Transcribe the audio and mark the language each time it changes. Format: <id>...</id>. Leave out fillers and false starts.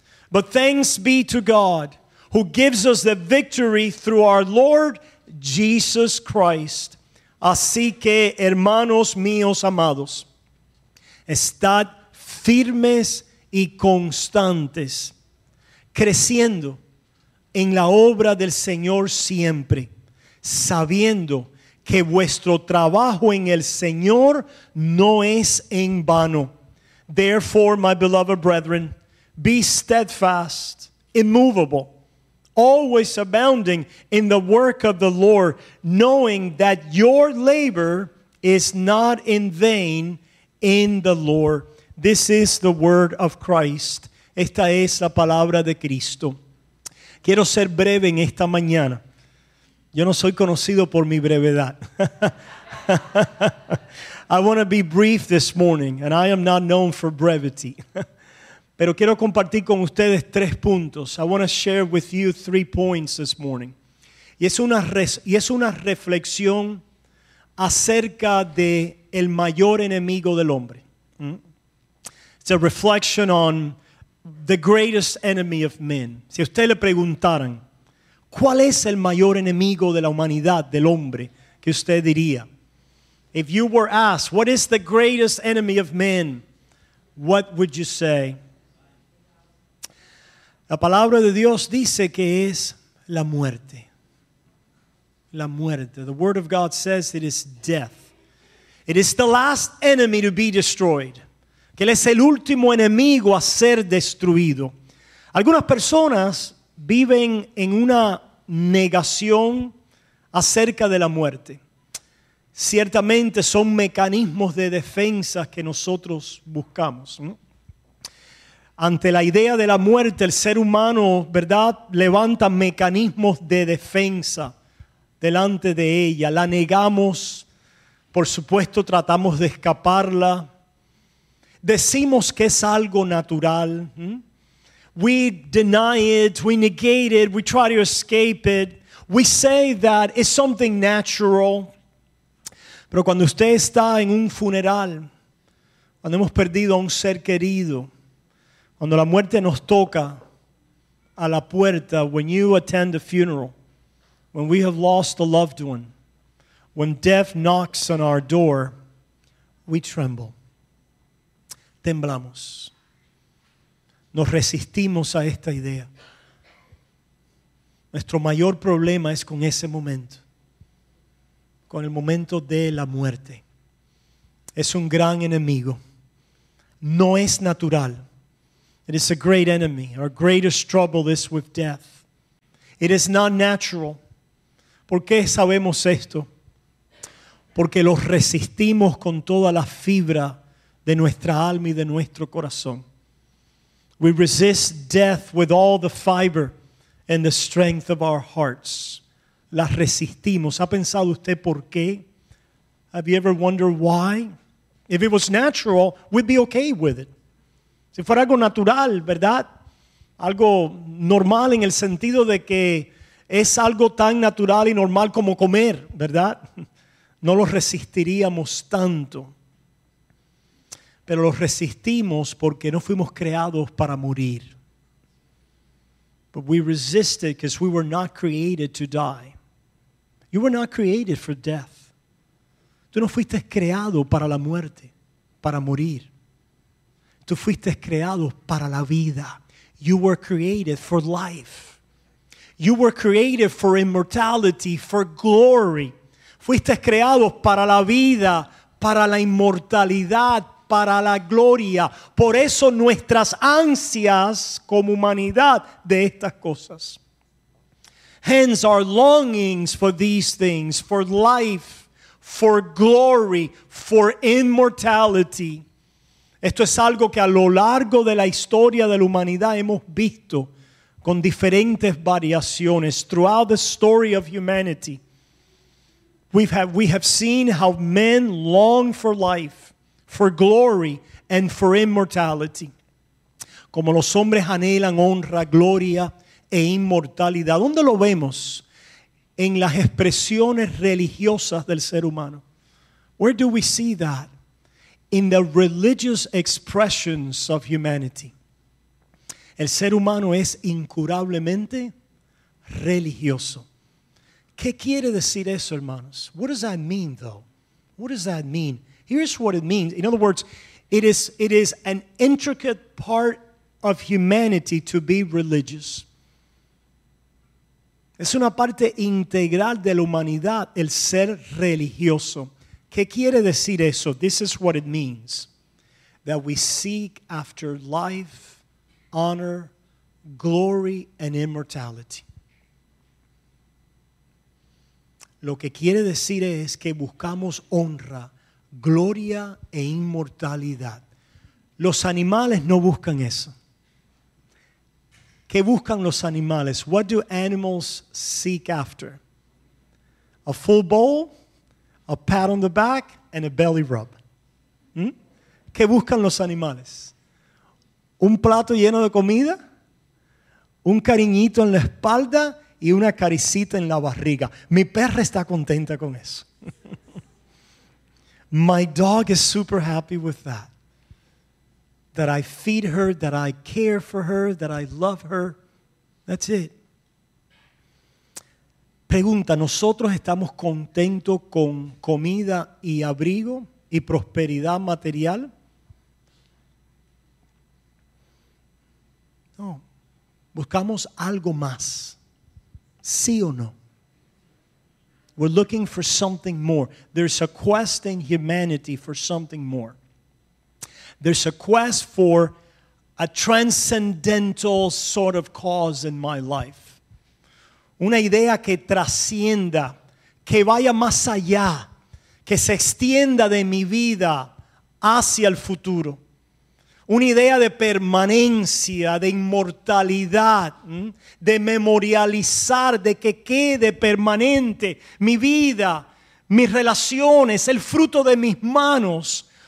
<en>But thanks be to God, who gives us the victory through our Lord Jesus Christ.</en> <es>Así que, hermanos míos amados, estad firmes y constantes, creciendo en la obra del Señor siempre, sabiendo que vuestro trabajo en el Señor no es en vano.</es> <en>Therefore, my beloved brethren, be steadfast, immovable, always abounding in the work of the Lord, knowing that your labor is not in vain in the Lord. This is the word of Christ.</en> <es>Esta es la palabra de Cristo. Quiero ser breve en esta mañana. Yo no soy conocido por mi brevedad.</es> <en>I want to be brief this morning, and I am not known for brevity.</en> <es>Pero quiero compartir con ustedes tres puntos.</es> <en>I want to share with you three points this morning.</en> <es>Y es una reflexión acerca de el mayor enemigo del hombre.</es> <en>It's a reflection on the greatest enemy of men.</en> <es>Si usted le preguntaran, ¿cuál es el mayor enemigo de la humanidad, del hombre, que usted diría?</es> <en>If you were asked, what is the greatest enemy of men? What would you say?</en> <es>La palabra de Dios dice que es la muerte. La muerte.</es> <en>The word of God says it is death. It is the last enemy to be destroyed.</en> <es>que Él es el último enemigo a ser destruido. Algunas personas viven en una negación acerca de la muerte. Ciertamente son mecanismos de defensa que nosotros buscamos, ¿no? Ante la idea de la muerte, el ser humano, ¿verdad?, levanta mecanismos de defensa delante de ella. La negamos, por supuesto, tratamos de escaparla. Decimos que es algo natural.</es> <en>We deny it, we negate it, we try to escape it. We say that it's something natural.</en> <es>Pero cuando usted está en un funeral, cuando hemos perdido a un ser querido, cuando la muerte nos toca a la puerta,</es> <en>when you attend a funeral, when we have lost a loved one, when death knocks on our door, we tremble.</en> <es>Temblamos. Nos resistimos a esta idea. Nuestro mayor problema es con ese momento, con el momento de la muerte. Es un gran enemigo. No es natural.</es> <en>It is a great enemy. Our greatest trouble is with death. It is not natural.</en> <es>¿Por qué sabemos esto? Porque lo resistimos con toda la fibra de nuestra alma y de nuestro corazón.</es> <en>We resist death with all the fiber and the strength of our hearts.</en> <es>La resistimos. ¿Ha pensado usted por qué?</es> <en>Have you ever wondered why? If it was natural, we'd be okay with it.</en> <es>Si fuera algo natural, ¿verdad? Algo normal en el sentido de que es algo tan natural y normal como comer, ¿verdad? No lo resistiríamos tanto. Pero lo resistimos porque no fuimos creados para morir.</es> <en>But we resisted because we were not created to die. You were not created for death.</en> <es>Tú no fuiste creado para la muerte, para morir. Tú fuiste creado para la vida.</es> <en>You were created for life. You were created for immortality, for glory.</en> <es>Fuiste creado para la vida, para la inmortalidad, para la gloria. Por eso nuestras ansias como humanidad de estas cosas.</es> <en>Hence our longings for these things, for life, for glory, for immortality.</en> <es>Esto es algo que a lo largo de la historia de la humanidad hemos visto con diferentes variaciones.</es> <en>Throughout the story of humanity, we have seen how men long for life, for glory, and for immortality.</en> <es>Como los hombres anhelan honra, gloria e inmortalidad. ¿Dónde lo vemos? En las expresiones religiosas del ser humano.</es> <en>Where do we see that? In the religious expressions of humanity.</en> <es>El ser humano es incurablemente religioso. ¿Qué quiere decir eso, hermanos?</es> <en>What does that mean, though? What does that mean? Here's what it means. In other words, it is an intricate part of humanity to be religious.</en> <es>Es una parte integral de la humanidad, el ser religioso. ¿Qué quiere decir eso?</es> <en>This is what it means. That we seek after life, honor, glory, and immortality.</en> <es>Lo que quiere decir es que buscamos honra, gloria e inmortalidad. Los animales no buscan eso. ¿Qué buscan los animales?</es> <en>What do animals seek after? A full bowl, a pat on the back, and a belly rub.</en> <es>¿Qué buscan los animales? Un plato lleno de comida, un cariñito en la espalda y una caricita en la barriga. Mi perra está contenta con eso.</es> <en>My dog is super happy with that. That I feed her, that I care for her, that I love her. That's it.</en> <es>Pregunta, ¿nosotros estamos contentos con comida y abrigo y prosperidad material? No. ¿Buscamos algo más? ¿Sí o no?</es> <en>We're looking for something more. There's a quest in humanity for something more. There's a quest for a transcendental sort of cause in my life.</en> <es>Una idea que trascienda, que vaya más allá, que se extienda de mi vida hacia el futuro. Una idea de permanencia, de inmortalidad, de memorializar, de que quede permanente mi vida, mis relaciones, el fruto de mis manos.</es>